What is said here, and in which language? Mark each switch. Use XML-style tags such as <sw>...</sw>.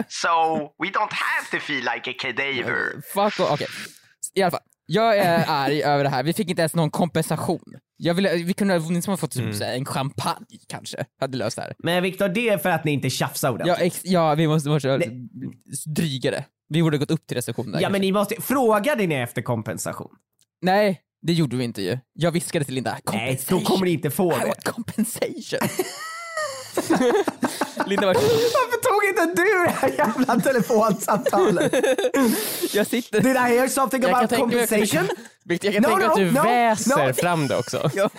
<en>so we don't have to feel like a cadaver. Fuck off. Okay.</en> <sv>I alla fall, jag är arg över det här. Vi fick inte ens någon kompensation. Vi kunde inte ha fått en champagne kanske. Hade löst det här. Men Victor, det är för att ni inte tjafsade ordentligt. Ja, vi måste dryga det. Vi borde gått upp till receptionen. Ja, men ni måste fråga din efter kompensation. Nej. Det gjorde vi inte ju. Jag viskade till Linda. Nej, då kommer ni inte få det.</sv> <en>I want compensation.</en> <sv>Linda var... Varför tog inte du det här jävla telefonsamtalet? Jag sitter...</sv> <en>Did I hear something about compensation?</en> <sv>Jag kan tänka att du väser fram det också.</sv>